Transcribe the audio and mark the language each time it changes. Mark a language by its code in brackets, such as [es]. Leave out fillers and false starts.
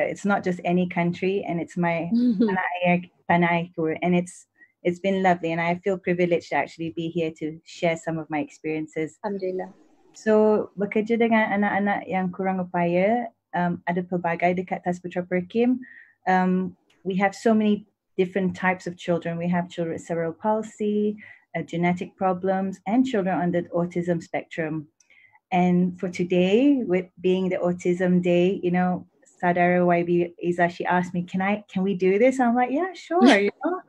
[en] It's not just any country and it's my [ms] tanah air, [en] and it's been lovely and I feel privileged to actually be here to share some of my experiences. [ar] Alhamdulillah. [ms] So, bekerja dengan anak-anak yang kurang upaya, ada pelbagai dekat Tas Putra Perkim. [en] We have so many different types of children. We have children with cerebral palsy, genetic problems, and children on the autism spectrum. And for today, with being the Autism Day, you know, Sadara YB Iza, she asked me, can we do this? And I'm like, yeah, sure. You know?